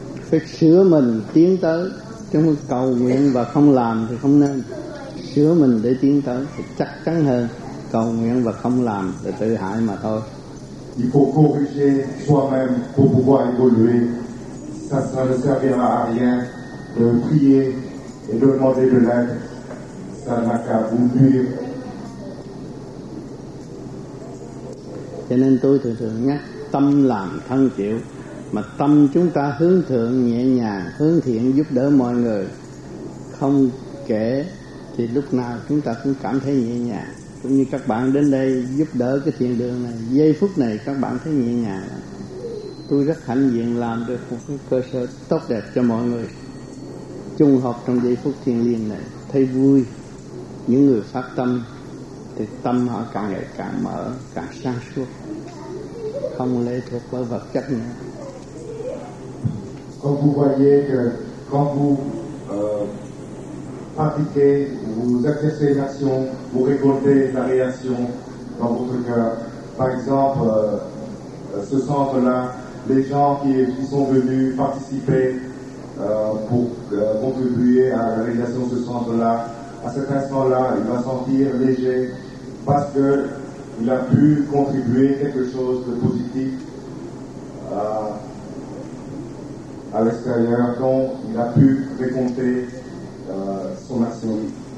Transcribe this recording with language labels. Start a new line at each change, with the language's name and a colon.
Vietnamese: Phải sửa mình tiến tới, chứ không cầu nguyện và không làm thì không nên. Sửa mình để tiến tới thì chắc chắn hơn, cầu nguyện và không làm thì tự hại mà thôi.
French: Il faut corriger soi-même pour pouvoir évoluer. Ça, ça ne servira à rien de prier et de demander de l'aide. Ça n'a qu'à vous nuire.
Vietnamese: Cho nên tôi thường thường nhắc tâm làm thân chịu, mà tâm chúng ta hướng thượng nhẹ nhàng, hướng thiện giúp đỡ mọi người, không kể thì lúc nào chúng ta cũng cảm thấy nhẹ nhàng. Cũng như các bạn đến đây giúp đỡ cái thiện đường này, giây phút này các bạn thấy nhẹ nhàng. Tôi rất hạnh diện làm được một cái cơ sở tốt đẹp cho mọi người chung học trong giây phút thiêng liêng này, thấy vui. Những người phát tâm thì tâm họ càng ngày càng mở, càng sáng suốt, không lệ thuộc vào vật chất nữa.
French: Quand vous voyez que quand vous pratiquez, vous exercez une action, vous récoltez la réaction dans votre cœur. Par exemple, ce centre-là, les gens qui sont venus participer pour contribuer à la réalisation de ce centre-là, à cet instant-là, il va sentir léger parce que il a pu contribuer quelque chose de positif à l'extérieur, quand il a pu récompenser son action.